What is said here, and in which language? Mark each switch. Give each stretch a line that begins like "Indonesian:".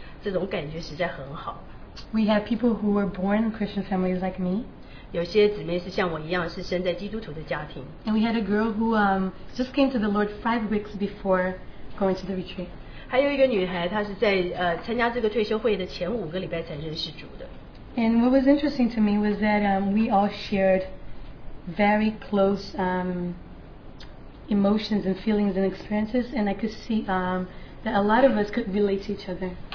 Chinese: 跟我同年龄的女孩子，从早到晚的交通，甚至想睡觉的时候还都不要睡觉的，这种感觉实在很好。
English: We have people who were born Christian families like me.
Chinese: 有些姊妹是像我一样，是生在基督徒的家庭。
English: And we had a girl who just came to the Lord 5 weeks before going to the retreat.
Chinese: 还有一个女孩，她是在参加这个退休会的前5个礼拜才认识主的。
English: And what was interesting to me was that we all shared very close emotions and feelings and experiences, and I could see that a lot of us could relate to each other.